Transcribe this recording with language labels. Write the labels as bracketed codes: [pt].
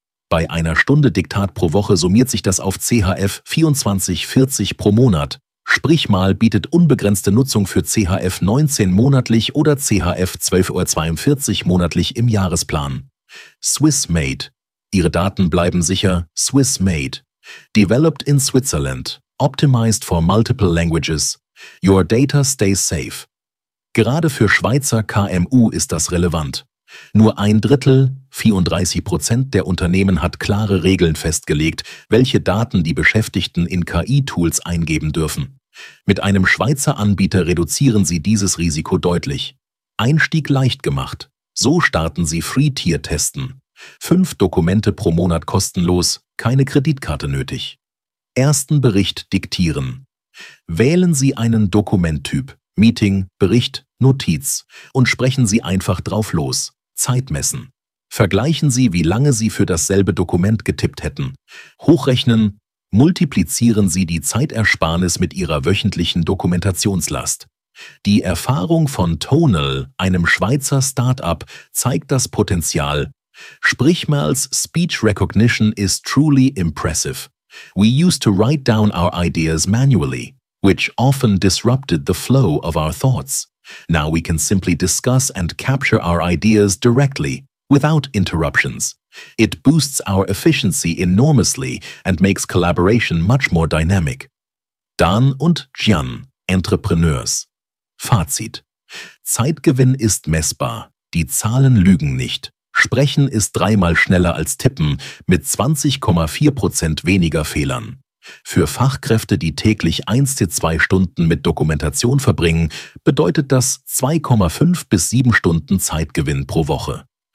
[de] Bei einer Stunde Diktat pro Woche summiert sich das auf CHF 24,40 pro Monat. Sprichmal bietet unbegrenzte Nutzung für CHF 19 monatlich oder CHF 12,42 monatlich im Jahresplan. [en] Swiss Made. [de] Ihre Daten bleiben sicher. [en] Swiss Made. Developed in Switzerland. Optimized for multiple languages. Your data stays safe. [de] Gerade für Schweizer KMU ist das relevant. Nur ein Drittel, 34% der Unternehmen hat klare Regeln festgelegt, welche Daten die Beschäftigten in KI-Tools eingeben dürfen. Mit einem Schweizer Anbieter reduzieren sie dieses Risiko deutlich. Einstieg leicht gemacht. So starten sie Free-Tier-Testen. 5 Dokumente pro Monat kostenlos, keine Kreditkarte nötig. Ersten Bericht diktieren. Wählen Sie einen Dokumenttyp. Meeting, Bericht, Notiz und sprechen Sie einfach drauf los. Zeit messen. Vergleichen Sie, wie lange Sie für dasselbe Dokument getippt hätten. Hochrechnen. Multiplizieren Sie die Zeitersparnis mit Ihrer wöchentlichen Dokumentationslast. Die Erfahrung von Tonal, einem Schweizer Start-up, zeigt das Potenzial. [en] Sprichmals Speech Recognition is truly impressive. We used to write down our ideas manually, which often disrupted the flow of our thoughts. Now we can simply discuss and capture our ideas directly, without interruptions. It boosts our efficiency enormously and makes collaboration much more dynamic. [de] Dan und Gian, Entrepreneurs. Fazit. Zeitgewinn ist messbar. Die Zahlen lügen nicht. Sprechen ist dreimal schneller als tippen, mit 20,4% weniger Fehlern. Für Fachkräfte, die täglich 1-2 Stunden mit Dokumentation verbringen, bedeutet das 2,5-7 Stunden Zeitgewinn pro Woche.